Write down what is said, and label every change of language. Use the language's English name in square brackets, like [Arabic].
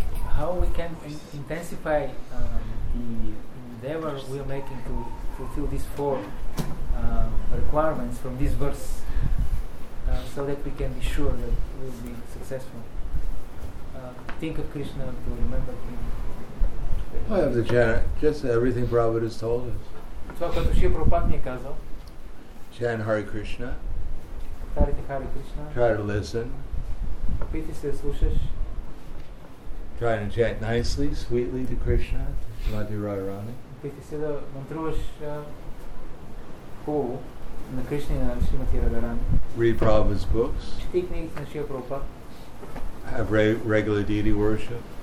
[English] How we can intensify the endeavor we are making to fulfill these four requirements from this verse so that we can be sure that we will be successful. Think of Krishna to remember him. I have the chant. Just everything Prabhupada has told us. [Bulgarian] Това, което Шрила Прабхупада ни е казал. [English] Chant Hare Krishna. [Bulgarian] Повторите Hare Krishna. [English] Try to listen. [Bulgarian] Опитай се да слушаш. [English] Try and chant nicely, sweetly to Krishna, Madhu Radharani. [Bulgarian] Опитай се да мантруваш хубаво на Кришна и на Шримати Радхарани. [English] Read Prabhupada's books. [Bulgarian] Чети книгите на Шрила Прабхупада. [English] Have regular deity worship.